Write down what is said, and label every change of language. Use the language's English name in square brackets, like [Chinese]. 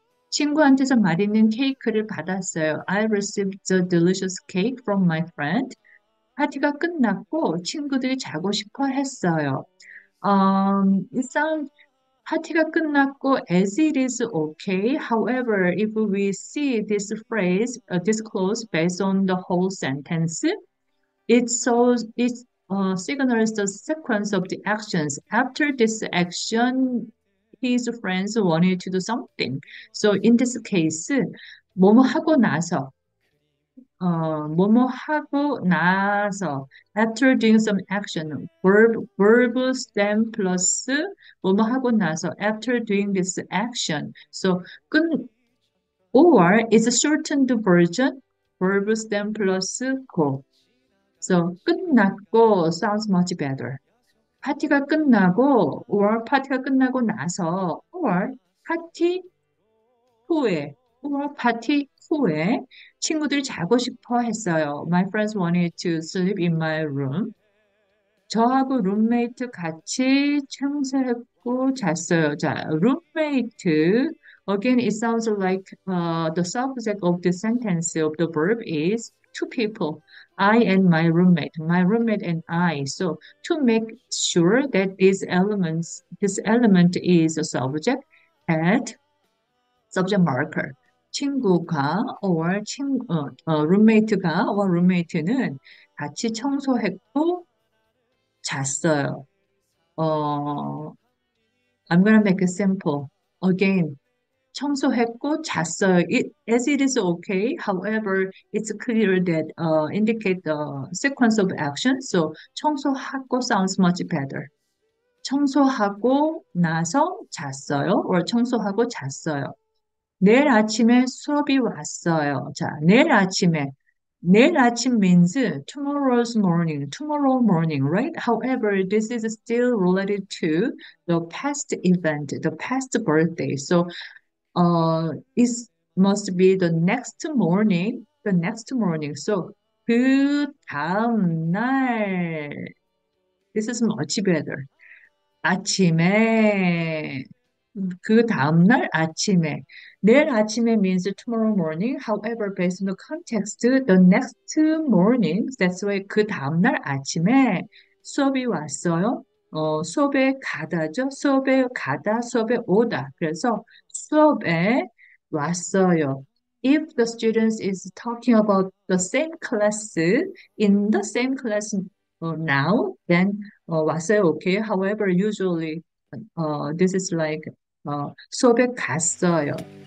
[Korean] 친구한테서 맛있는 케이크를 받았어요. [English] I received a delicious cake from my friend. [Korean] 파티가 끝났고 친구들이 자고 싶어 했어요. [English] It sounds [Korean] 파티가 끝났고 [English] as it is okay. However, if we see this phrase, this clause based on the whole sentence, it signals the sequence of the actions. After this action, his friends wanted to do something. So in this case, [Korean] 뭐뭐 하고 나서, 뭐뭐 하고 나서, [English] after doing some action, verb stem plus [Korean] 뭐뭐 하고 나서, [English] after doing this action. So, or is a shortened version, verb stem plus 고. So, 끝났고 sounds much better. [Korean] 파티가 끝나고, or 파티가 끝나고 나서, or 파티 후에, or 파티 후에 친구들이 자고 싶어 했어요. [English] My friends wanted to sleep in my room. [Korean] 저하고 룸메이트 같이 청소했고 잤어요. 자, 룸메이트. [English] Again, it sounds like the subject of the sentence of the verb is two people. I and my roommate and I. So to make sure that this element is a subject, add subject marker. [Korean] 친구가 or 친 roommate가 or roommate는 같이 청소했고 잤어요. [English] I'm gonna make it simple again. [Korean] 청소했고 잤어요. [English] As it is okay. However, it's clear that indicate the sequence of action. So 청소하고 sounds much better. [Korean] 청소하고 나서 잤어요. Or 청소하고 잤어요. 내일 아침에 수업이 왔어요. 자, 내일 아침에. 내일 아침 [English] means tomorrow's morning. Tomorrow morning, right? However, this is still related to the past event, the past birthday. So, it must be the next morning. The next morning. So, [Korean] 그 다음 날. [English] This is much better. 아침에. [Korean] 그 다음 날 아침에. 내일 아침에 [English] means tomorrow morning. However, based on the context, the next morning, that's why [Korean] 그 다음 날 아침에 수업이 왔어요. 수업에 가다죠. 수업에 가다, 수업에 오다. 그래서 수업에 왔어요. [English] If the students is talking about the same class, in the same class now, then 왔어요. Okay. However, usually this is like [Korean] 수업에 갔어요.